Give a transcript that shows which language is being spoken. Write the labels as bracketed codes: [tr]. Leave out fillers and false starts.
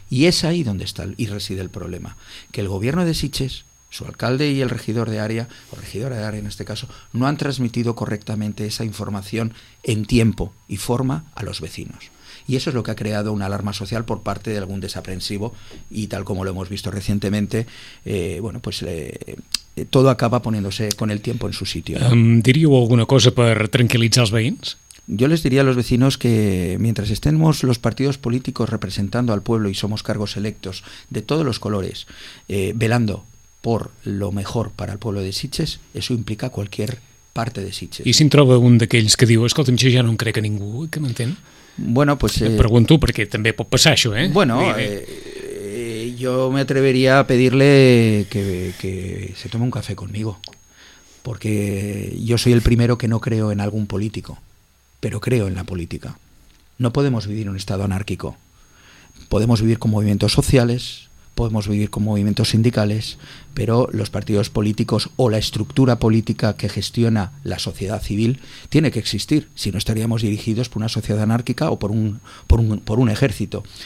[es] Y es ahí donde está y reside el problema, que el gobierno de Sitges, su alcalde y el regidor de área, o regidora de área en este caso, no han transmitido correctamente esa información en tiempo y forma a los vecinos. Y eso es lo que ha creado una alarma social por parte de algún desaprensivo y tal como lo hemos visto recientemente, bueno, pues todo acaba poniéndose con el tiempo en su sitio. [ca] ¿Diríeu alguna cosa per tranquil·litzar els veïns? [es] Yo les diría a los vecinos que mientras estemos los partidos políticos representando al pueblo y somos cargos electos de todos los colores, velando por lo mejor para el pueblo de Sitges, eso implica cualquier parte de Sitges. [ca] ¿Y si en troba un d'aquells que diu, escolta'm, jo ja no crec a ningú, que m'entén? [es] Bueno, pues [ca] pregunto perquè també pot passar això, [es] Bueno, Yo me atrevería a pedirle que se tome un café conmigo, porque yo soy el primero que no creo en algún político, pero creo en la política. No podemos vivir en un estado anárquico. Podemos vivir con movimientos sociales, podemos vivir con movimientos sindicales, pero los partidos políticos o la estructura política que gestiona la sociedad civil tiene que existir, si no estaríamos dirigidos por una sociedad anárquica o por un ejército.